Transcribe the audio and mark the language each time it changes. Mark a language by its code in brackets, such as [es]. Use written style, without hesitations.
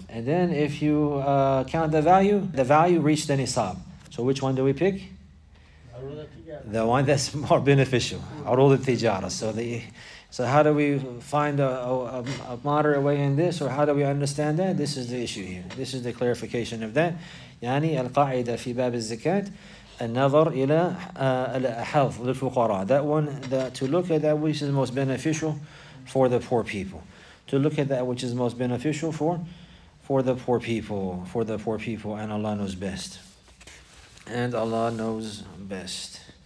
[en] And then if you count the value reached the nisab. So which one do we pick? The one that's more beneficial. Arul al-tijara. So how do we find a moderate way in this, or how do we understand that? This is the issue here. This is the clarification of that. [ar] يعني القاعدة في باب الزكاة النظر إلى الحظ للفقراء. [en] That one, to look at that which is most beneficial for the poor people. To look at that which is most beneficial for the poor people. For the poor people, and Allah knows best. And Allah knows best.